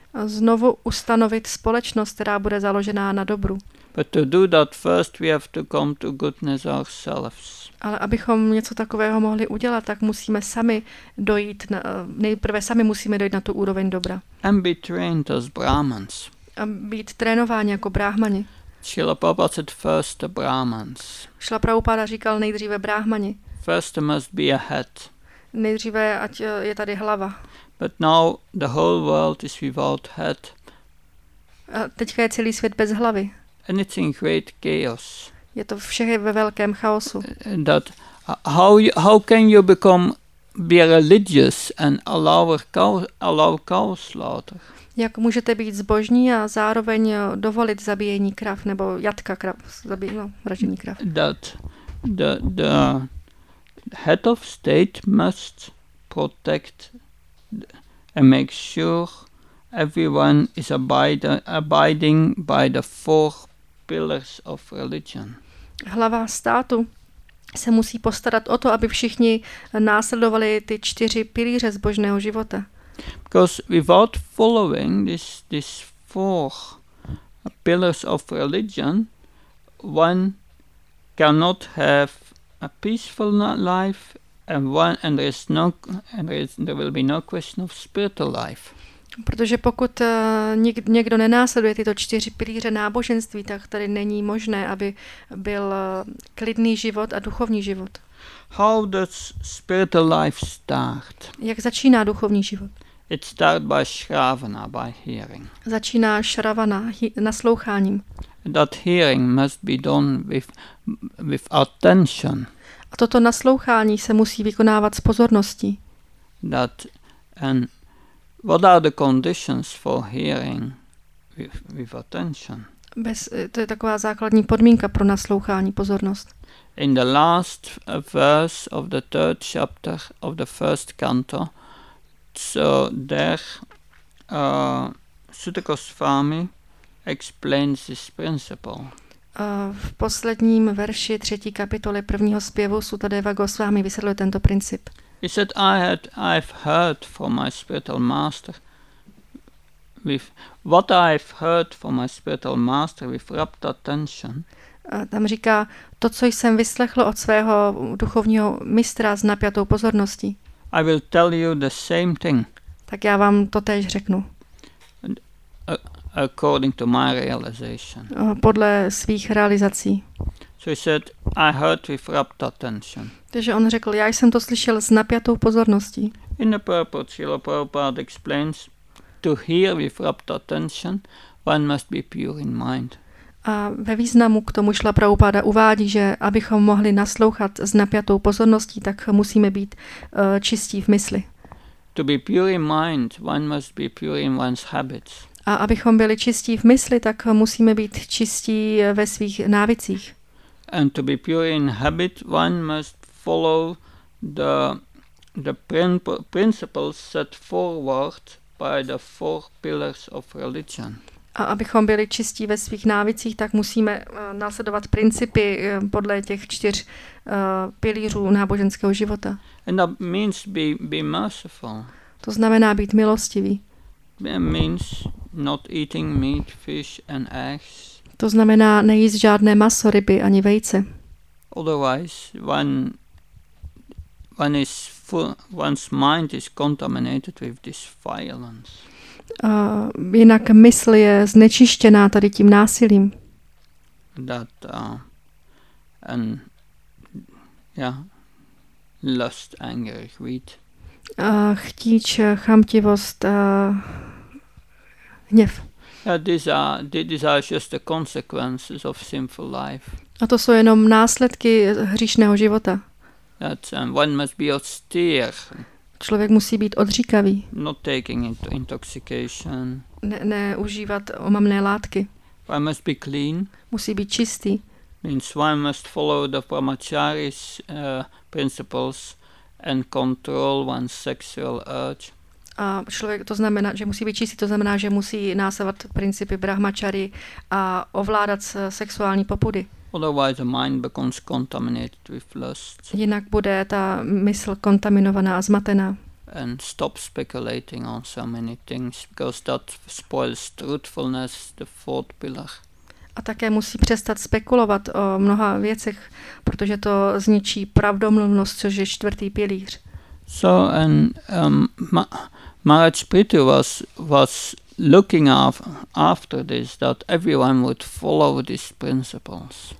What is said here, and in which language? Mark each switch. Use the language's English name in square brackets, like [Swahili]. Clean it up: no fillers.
[Czech] A znovu ustanovit společnost, která bude založená na dobru. [English] But to do that first we have to come to goodness ourselves. [Czech] Ale abychom něco takového mohli udělat, tak musíme sami dojít na, nejprve sami musíme dojít na tu úroveň dobra. [English] And be trained as Brahmans. [Czech] A být trénováni jako bráhmani. [English] Srila Prabhupada said first the Brahmans. [Czech] Srila Prabhupada říkal nejdříve bráhmani. [English] First must be a head. [Czech] Nejdříve ať je tady hlava. [English] But now the whole world is without head. [Czech] A teďka je celý svět bez hlavy. [English] And it's in great chaos. [Czech] Je to všechny ve velkém chaosu. [English] That how can you become be religious and allow cow slaughter? [Czech] Jak můžete být zbožní a zároveň dovolit zabíjení krav nebo jatka krav, mražení krav? [English] That the head of state must protect and make sure everyone is abiding by the four pillars of religion. [Czech] Hlava státu se musí postarat o to, aby všichni následovali ty čtyři pilíře zbožného života. [English] Because without following this four pillars of religion, one cannot have a peaceful life and there will be no question of spiritual life. [Czech] Protože pokud někdo nenásleduje tyto čtyři pilíře náboženství, tak tady není možné, aby byl klidný život a duchovní život. [English] How does spiritual life start? [Czech] Jak začíná duchovní život? [English] It starts by shravana, by hearing. [Czech] Začíná shravana, nasloucháním. [English] That hearing must be done with attention. [Czech] A toto naslouchání se musí vykonávat s pozorností. [English] What are the conditions for hearing with attention? [Czech] To je taková základní podmínka pro naslouchání, pozornost. [English] In the last verse of the third chapter of the first canto, so there Suta Goswami explains this principle. [Czech] V posledním verši třetí kapitoly prvního zpěvu Sutadeva Goswami vysvětluje tento princip. [English] He said, I've heard from my spiritual master with rapt attention. [Czech] Tam říká, to, co jsem vyslechl od svého duchovního mistra s napjatou pozorností. [English] I will tell you the same thing. [Czech] Tak já vám to též řeknu. [English] According to my realization. [Czech] Podle svých realizací. [English] So he said, I heard with rapt attention. [Czech] Takže on řekl, já jsem to slyšel s napjatou pozorností. [English] In the purport, Srila Prabhupada explains, to hear with rapt attention, one must be pure in mind. [Czech] A ve významu k tomu Srila Prabhupada uvádí, že abychom mohli naslouchat s napjatou pozorností, tak musíme být čistí v mysli. [English] To be pure in mind, one must be pure in one's habits. [Czech] A abychom byli čistí v mysli, tak musíme být čistí ve svých návycích. [English] And to be pure in habit, one must follow the principles set forward by the four pillars of religion. [Czech] A abychom byli čistí ve svých návycích, tak musíme následovat principy podle těch čtyř pilířů náboženského života. [English] And that means be merciful. [Czech] To znamená být milostivý. [English] It means not eating meat, fish and eggs. [Czech] To znamená nejíst žádné maso, ryby ani vejce. [English] Otherwise, one's mind is contaminated with this violence. [Czech] Jinak mysl je znečištěná tady tím násilím. [English] That and lust, anger, greed. [Czech] Chtíč, chamtivost, hněv. [English] These are just the consequences of sinful life. [Czech] A to jsou jenom následky hříšného života. [English] One must be austere. [Czech] Člověk musí být odříkavý. [English] Not taking into intoxication. [Czech] Ne užívat omamné látky. [English] One must be clean. [Czech] Musí být čistý. [English] Means one must follow the brahmacharis principles and control one's sexual urge. [Czech] A člověk, to znamená, že musí být čistý, to znamená, že musí následovat principy brahmačary a ovládat sexuální popudy. [English] Otherwise the mind becomes contaminated with lust. [Czech] Jinak bude ta mysl kontaminovaná a zmatená. [English] And stop speculating on so many things, because that spoils truthfulness, the fourth pillar. [Czech] A také musí přestat spekulovat o mnoha věcech, protože to zničí pravdomluvnost, což je čtvrtý pilíř. [English] So and Maharaj Prithvi was looking after this, that everyone would follow these principles.